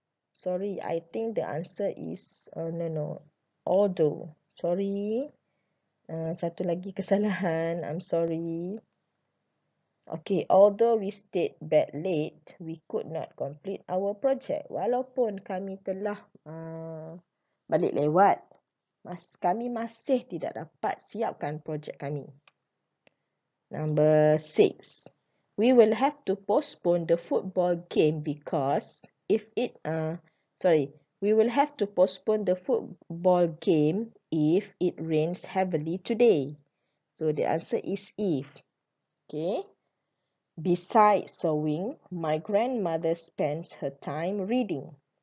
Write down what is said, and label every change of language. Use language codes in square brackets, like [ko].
[en] Sorry, I think the answer is, although. Sorry, [ms] satu lagi kesalahan. [en] I'm sorry. Okay, although we stayed back late, we could not complete our project. [ms] Walaupun kami telah balik lewat, kami masih tidak dapat siapkan projek kami. [en] Number 6. We will have to postpone the football game because if it we will have to postpone the football game if it rains heavily today. So the answer is if. Okay. Besides sewing, my grandmother spends her time reading.